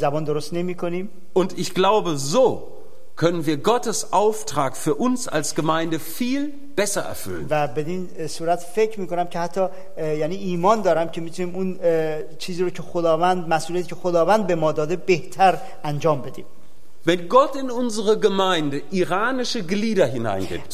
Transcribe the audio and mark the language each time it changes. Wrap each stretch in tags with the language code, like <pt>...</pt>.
<de>Und ich glaube, so können wir Gottes Auftrag für uns als Gemeinde viel besser erfüllen.</de> <fa>و به این صورت فکر میکنم که حتی یعنی ایمان دارم که میتونیم اون چیزی رو که خداوند مسئولیتی که خداوند به ما داده بهتر انجام بدیم.</fa> <de>Wenn Gott in unsere Gemeinde iranische Glieder hineingibt.</de>